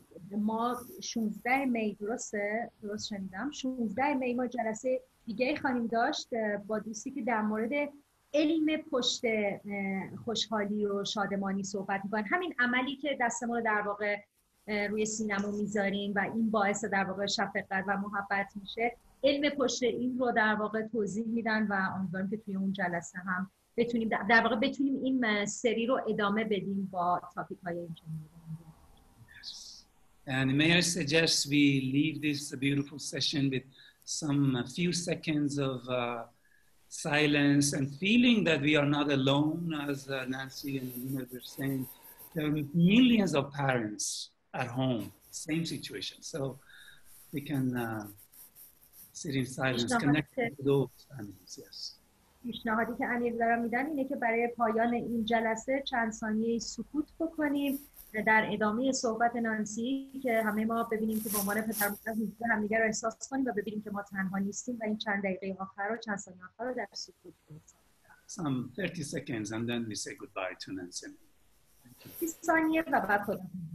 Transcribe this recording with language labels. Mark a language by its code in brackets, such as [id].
[fa] ما 16 می درست شنیدم 16 می ما جلسه دیگه خانم داشت با دوستی که در مورد علم پشت خوشحالی و شادمانی صحبت می‌کنن، همین عملی که دست ما رو در واقع روی سینمو میذاریم و این باعث در واقع شفقت و محبت میشه، علم پشت این رو در واقع توضیح میدن و امیدوارم که توی اون جلسه هم بتونیم در واقع بتونیم این سری رو ادامه بدیم با تاپیک های این چنین. [en] And may I suggest we leave this beautiful session with some few seconds of silence and feeling that we are not alone, as Nancy and Luna were saying. There are millions of parents at home, same situation. So we can sit in silence, connect with those families, yes. [fa] پیشنهادی که امیر دارم میدن اینه که برای پایان این جلسه چند ثانیه سکوت بکنیم در ادامه صحبت نانسی، که همه ما ببینیم که به عنوان پدر مادر میتونیم همدیگر رو احساس کنیم و ببینیم که ما تنها نیستیم، و این چند دقیقه آخر رو چند ثانیه آخر رو در سکوت بگذاریم. [en] 30 seconds and then we say goodbye to Nancy. [fa] 30 ثانیه و بعد خودم.